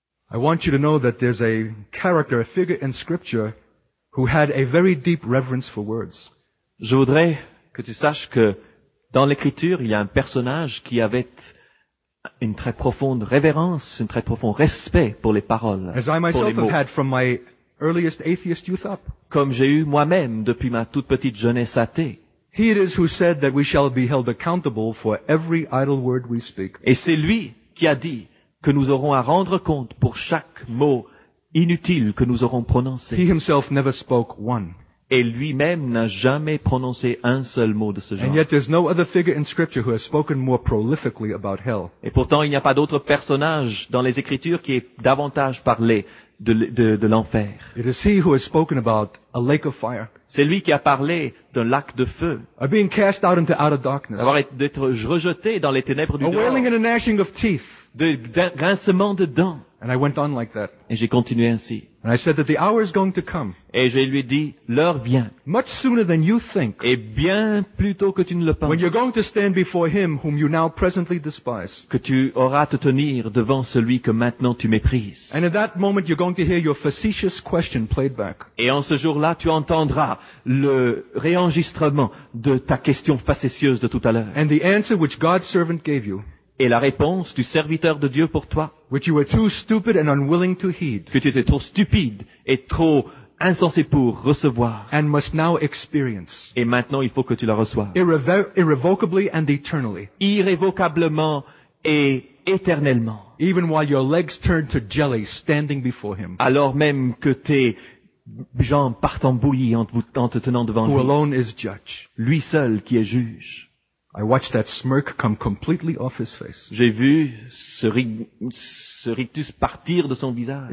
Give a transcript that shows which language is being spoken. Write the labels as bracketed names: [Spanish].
[English] I want you to know that there's a character, a figure in Scripture, who had a very deep reverence for words. [French] Je voudrais que tu saches que dans l'Écriture, il y a un personnage qui avait une très profonde révérence, un très profond respect pour les paroles, pour les mots. [English] Had from my earliest atheist youth up. [French] Comme j'ai eu moi-même depuis ma toute petite jeunesse athée. [English] He it is who said that we shall be held accountable for every idle word we speak. [French] Et c'est lui qui a dit que nous aurons à rendre compte pour chaque mot inutile que nous aurons prononcé. [English] He himself never spoke one. [French] Et lui-même n'a jamais prononcé un seul mot de ce genre. [English] And yet there's no other figure in Scripture who has spoken more prolifically about hell. [French] Et pourtant, il n'y a pas d'autre personnage dans les Écritures qui ait davantage parlé de l'enfer. [English] It is he who has spoken about a lake of fire. [French] C'est lui qui a parlé d'un lac de feu. [English] Of being cast out into outer darkness. [French] D'être rejeté dans les ténèbres du dehors. [English] A wailing and a gnashing of teeth. [French] De grincement de dents. [English] And I went on like that. [French] Et j'ai continué ainsi. [English] And I said that the hour is going to come. [French] Et je lui ai dit, l'heure vient. [English] Much sooner than you think. [French] Et bien plus tôt que tu ne le penses. [English] When you're going to stand before him whom you now presently despise. [French] Que tu auras à te tenir devant celui que maintenant tu méprises. [English] And at that moment you're going to hear your facetious question played back. [French] Et en ce jour-là, tu entendras le réenregistrement de ta question facétieuse de tout à l'heure. [English] And the answer which God's servant gave you. [French] Et la réponse du serviteur de Dieu pour toi, [English] which you were too stupid and unwilling to heed, [French] que tu étais trop stupide et trop insensé pour recevoir. [English] And must now experience. [French] Et maintenant, il faut que tu la reçoives. [English] Irrevocably and eternally. [French] Irrévocablement et éternellement. [English] Even while your legs turn to jelly standing before him. [French] Alors même que tes jambes partent en bouillie en te tenant devant [English] who [French] lui. [English] Alone is judge. [French] Lui seul qui est juge. [English] I watched that smirk come completely off his face. [French] J'ai vu ce rictus partir de son visage.